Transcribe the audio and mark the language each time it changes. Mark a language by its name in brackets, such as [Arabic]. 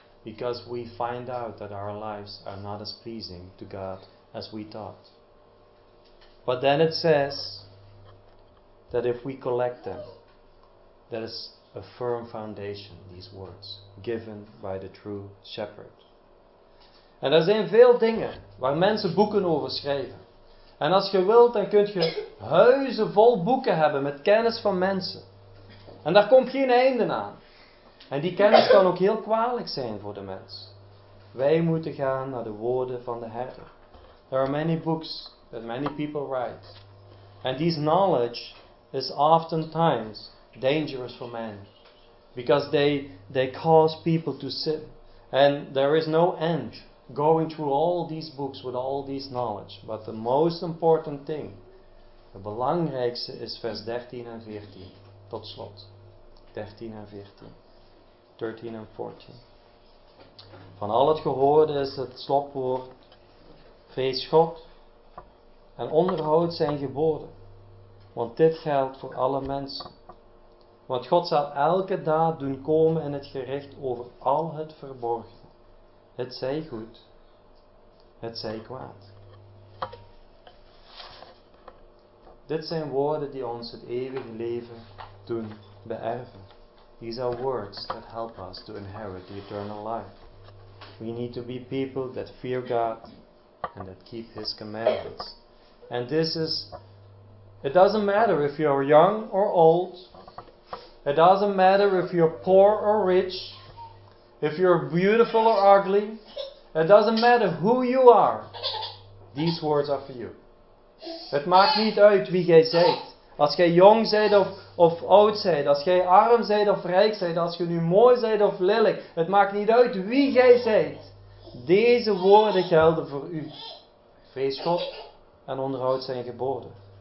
[English] Because we find out that our lives are not as pleasing to God as we thought. But then it says that if we collect them, that is a firm foundation, these words, given by the true shepherd. [Dutch] En er zijn veel dingen waar mensen boeken over schrijven. En als je wilt, dan kun je huizen vol boeken hebben met kennis van mensen. En daar komt geen einde aan. En die kennis kan ook heel kwalijk zijn voor de mens. Wij moeten gaan naar de woorden van de herder. [English] There are many books that many people write. And this knowledge is oftentimes dangerous for men. Because they cause people to sin. And there is no end going through all these books with all this knowledge. But the most important thing, [Dutch] the belangrijkste, is vers 13 en 14. Tot slot. 13 en 14. 13 en 14. Van al het gehoorde is het slotwoord. Vrees God en onderhoud zijn geboden, want dit geldt voor alle mensen. Want God zal elke daad doen komen in het gericht over al het verborgen, het zij goed, het zij kwaad. Dit zijn woorden die ons het eeuwige leven doen beërven. [English] These are words that help us to inherit the eternal life. We need to be people that fear God and that keep his commandments. And this is, it doesn't matter if you're young or old, it doesn't matter if you're poor or rich, if you're beautiful or ugly, it doesn't matter who you are, these words are for you. [Dutch] Het maakt niet uit wie jij zijt. Als jij jong zijt of oud zijt, als jij arm zijt of rijk zijt, als je nu mooi zijt of lelijk, het maakt niet uit wie jij zijt. Deze woorden gelden voor u. Vrees God en onderhoud zijn geboden.